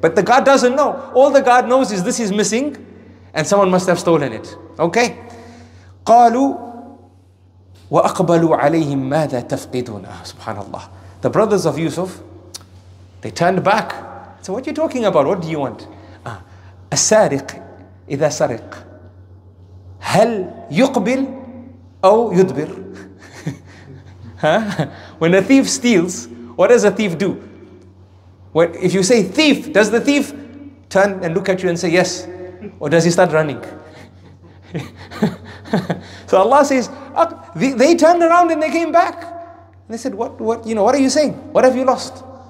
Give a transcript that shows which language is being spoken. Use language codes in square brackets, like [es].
[en] But the guard doesn't know. All the guard knows is this is missing and someone must have stolen it. Okay? [ar] قَالُوا وَأَقْبَلُوا عَلَيْهِمْ مَاذَا تَفْقِدُونَ. Subhanallah. [en] The brothers of Yusuf, they turned back. So what are you talking about? What do you want? [ar] السارق إذا سرق هل يقبل أو يدبر. [en] Huh? When a thief steals, what does a thief do? What, if you say thief, does the thief turn and look at you and say yes? Or does he start running? So Allah says, they turned around and they came back. And they said, what are you saying? What have you lost?